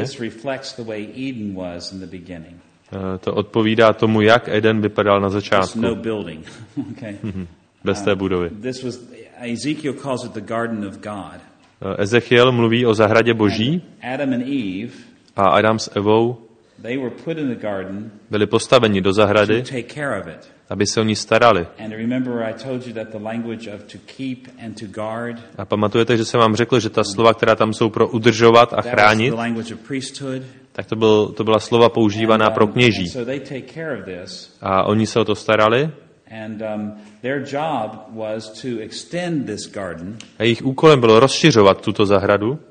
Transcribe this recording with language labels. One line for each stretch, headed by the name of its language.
English: this reflects the way Eden was in the beginning.
Czech: To odpovídá tomu, jak Eden vypadal na začátku.
English: No building. Okay.
Czech: Bez té budovy.
English: This was, Ezekiel calls it the Garden of God.
Czech: Ezechiel mluví o zahradě Boží.
English: Adam and Eve,
Czech: a Adam s Evou,
English: they were put in the garden,
Czech: byli postaveni do zahrady,
English: to take care of it,
Czech: aby se o ní starali.
English: And remember I told you that the language of to keep and to guard,
Czech: a pamatujete, že jsem vám řekl, že ta slova, která tam jsou pro udržovat a chránit,
English: the language of priesthood,
Czech: tak to byla slova používaná
English: and,
Czech: pro kněží.
English: So they take care of this,
Czech: a oni se o to starali.
English: And their job was to extend this garden,
Czech: a jejich úkolem bylo rozšiřovat tuto zahradu